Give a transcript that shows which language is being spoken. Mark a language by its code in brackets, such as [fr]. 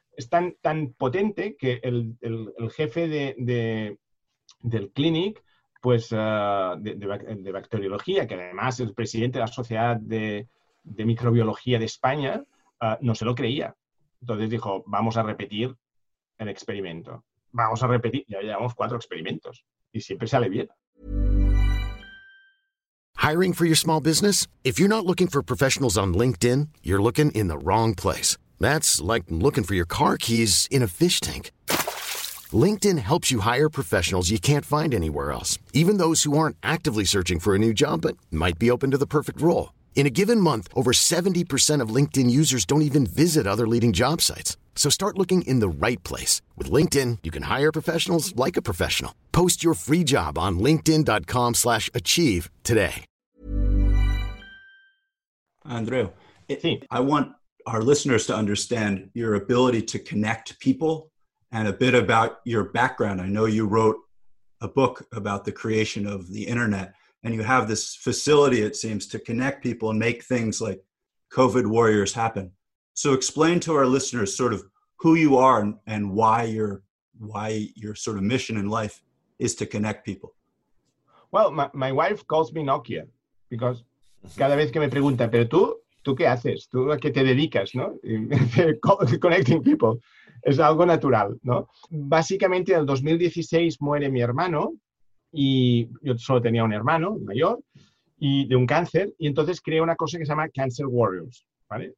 [es] Es tan potente que el jefe del clinic, pues, de bacteriología, que además es el presidente de la Sociedad de Microbiología de España, no se lo creía. Entonces dijo, vamos a repetir el experimento. Vamos a repetir, ya llevamos 4 experimentos y siempre sale bien. [en] Hiring for your small business? If you're not looking for professionals on LinkedIn, you're looking in the wrong place. That's like looking for your car keys in a fish tank. LinkedIn helps you hire professionals you can't find anywhere else, even those who aren't actively searching for a new job but might be open to the perfect role. In a given month, over 70% of LinkedIn users don't even visit other leading job sites. So start looking in the right place. With LinkedIn, you can hire professionals like a professional. Post your free job on linkedin.com/achieve today. Andreu, I want our listeners to understand your ability to connect people and a bit about your background. I know you wrote a book about the creation of the internet, and you have this facility, it seems, to connect people and make things like COVID warriors happen. So explain to our listeners sort of who you are and why your sort of mission in life is to connect people. Well, my wife calls me Nokia because [es] cada vez que me pregunta, pero tú qué haces, tú a qué te dedicas, ¿no? [en] Connecting people [es] es algo natural, ¿no? Básicamente en el 2016 muere mi hermano y yo solo tenía un hermano mayor y de un cáncer, y entonces creé una cosa que se llama Cancer Warriors. ¿Vale?